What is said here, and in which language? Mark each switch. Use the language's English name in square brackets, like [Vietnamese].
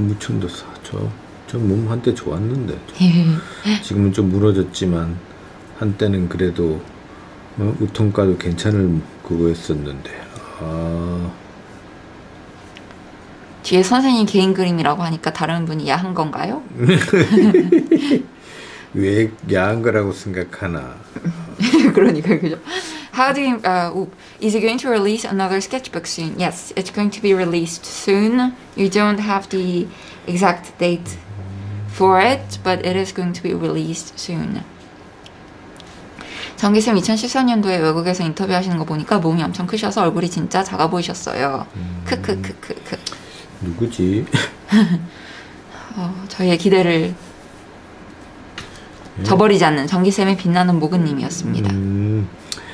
[Korean] 무천도사 저 몸 한때 좋았는데 지금은 좀 무너졌지만 한때는 그래도 우통과도 괜찮을 그거였었는데. 아... 뒤에 선생님 개인 그림이라고 하니까 다른 분이 야한 건가요? 왜 야한 거라고 생각하나? 그러니까 그죠. [English] How do you, is it going to release another sketchbook soon? Yes, it's going to be released soon. You don't have the exact date for it, but it is going to be released soon. [Korean] 정기쌤 2014년도에 외국에서 인터뷰하시는 거 보니까 몸이 엄청 크셔서 얼굴이 진짜 작아 보이셨어요. 크크크크크. 누구지? 저희의 기대를 저버리지 않는 정기쌤의 빛나는 모근님이었습니다.